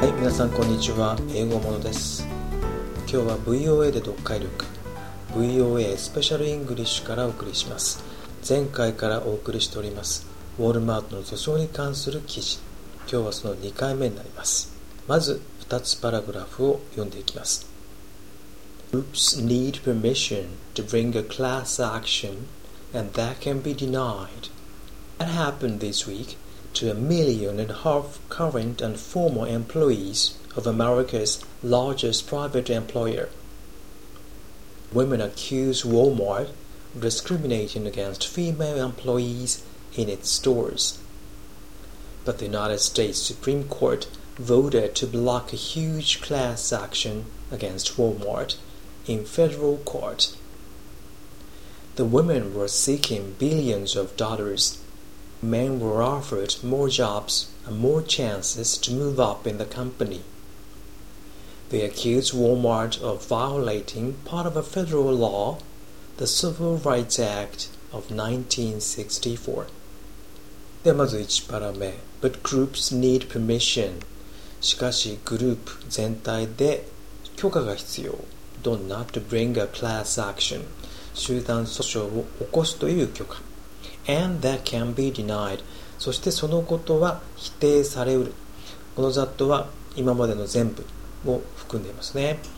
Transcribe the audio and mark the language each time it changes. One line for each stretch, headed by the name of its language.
Japanese: さんこんにちは、英語モノです。今日は VOA で読解力、 VOA スペシャルイングリッシュからお送りします。前回からお送りしておりますウォルマートの訴訟に関する記事、今日はその2回目になります。まず2つパラグラフを読んでいきます。
English: Groups need permission to bring a class action and that can be denied. That happened this week to 1.5 million current and former employees of America's largest private employer. Women accuse Walmart of discriminating against female employees in its stores. But the United States Supreme Court voted to block a huge class action against Walmart in federal court. The women were seeking billions of dollars. Men were offered more jobs and more chances to move up in the company. They accused Walmart of violating part of a federal law, the Civil Rights Act of 1964.
Japanese: ではまず1パラ目。
English: But groups need permission.
Japanese: しかしグループ全体で許可が必要。
English: Don't not to bring a class action.
Japanese: 集団訴訟を起こすという許可。
English: And that can be denied.
Japanese: そしてそのことは否定されうる。このざっとは今までの全部を含んでいますね。